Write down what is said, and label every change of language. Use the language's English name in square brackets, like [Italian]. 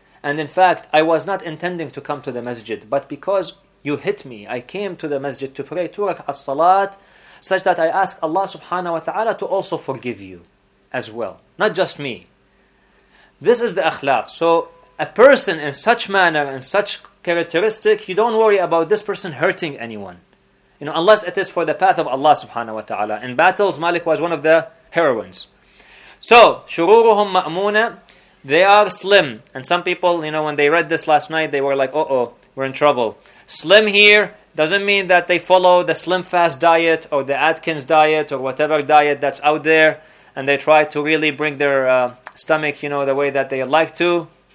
[English] And in fact, I was not intending to come to the masjid. But because you hit me, I came to the masjid to pray two rak'at salat, such that I ask Allah subhanahu wa ta'ala to also forgive you as well. Not just me. This is the akhlaq. So a person in such manner, in such characteristic, you don't worry about this person hurting anyone. You know, unless it is for the path of Allah subhanahu wa ta'ala. In battles, Malik was one of the heroines. [Arabic] So, شُرُورُهُمْ مَأْمُونَ. [English] They are slim. And some people, you know, when they read this last night, they were like, uh-oh, we're in trouble. Slim here doesn't mean that they follow the slim fast diet or the Atkins diet or whatever diet that's out there. And they try to really bring their stomach, you know, the way that they like to.